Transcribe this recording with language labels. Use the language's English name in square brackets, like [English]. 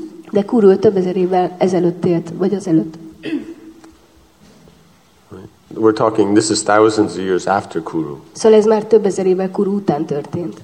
[Hungarian] De Kuru több ezer évvel ezelőtt élt, vagy azelőtt. [English] We're talking, this is thousands of years after Kuru. [Hungarian] Szóval ez már több ezer évvel Kuru után történt.